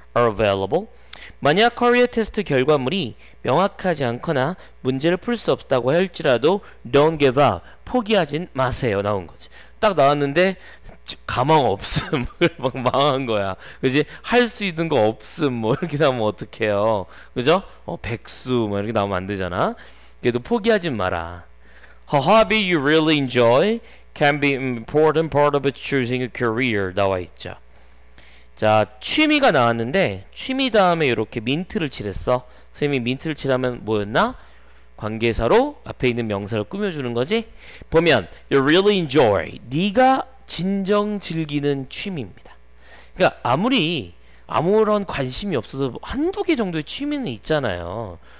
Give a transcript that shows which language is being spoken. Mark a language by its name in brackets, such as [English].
[Korean] Available. 만약 커리어 테스트 결과물이 명확하지 않거나 문제를 풀 수 없다고 할지라도 [English] Don't give up. [Korean] 포기하진 마세요. 나온 거지. 딱 나왔는데 가망 없음. 막 망한 거야. 그지? 할 수 있는 거 없음. 뭐 이렇게 나오면 어떡해요. 그죠? 백수. 뭐 이렇게 나오면 안 되잖아. 그래도 포기하지 마라. [English] A hobby you really enjoy can be an important part of choosing a career. [Korean] 나와 있죠. 자, 취미가 나왔는데, 취미 다음에 이렇게 민트를 칠했어. 선생님이 민트를 칠하면 뭐였나? 관계사로 앞에 있는 명사를 꾸며주는 거지. 보면, [English] you really enjoy. [Korean] 네가 진정 즐기는 취미입니다. 그러니까 아무리 아무런 관심이 없어도 한두 개 정도의 취미는 있잖아요.